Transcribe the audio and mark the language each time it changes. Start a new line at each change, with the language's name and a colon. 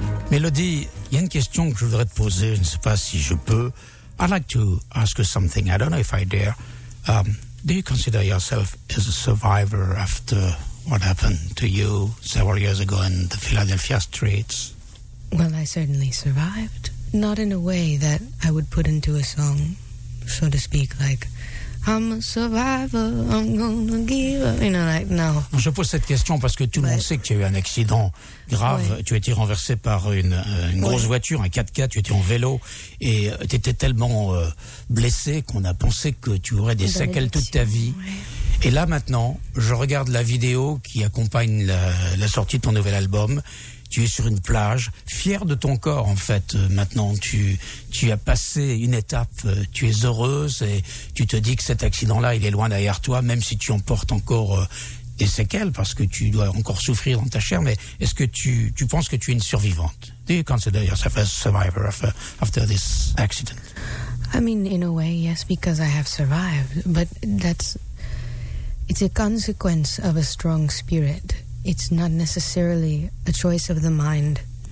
French: Mélodie, il y a une question que je voudrais te poser, je ne sais pas si je peux.
English: I'd like to ask you something, I don't know if I dare. Do you consider yourself as a survivor after what happened to you several years ago in the Philadelphia streets? Well, I certainly survived. Not in a way that I would put into a song, so to speak, like I'm a survivor, I'm gonna give up, you know, like, no.
French: Je pose cette question parce que tout le monde sait que tu as eu un accident grave. Ouais. Tu as été renversé par une grosse voiture, un 4x4, tu étais en vélo, et tu étais tellement blessé qu'on a pensé que tu aurais des séquelles toute ta vie. Ouais. Et là, maintenant, je regarde la vidéo qui accompagne la sortie de ton nouvel album. Tu es sur une plage, fier de ton corps en fait. Maintenant, tu as passé une étape, tu es heureuse et tu te dis que cet accident-là, il est loin derrière toi, même si tu en portes encore des séquelles parce que tu dois encore souffrir dans ta chair. Mais est-ce que tu penses que tu es une survivante?
English: Do you consider yourself a survivor after this accident? I mean, in a way, yes, because I have survived. But that's... It's a consequence of a strong spirit. It's not necessarily a choice of the mind.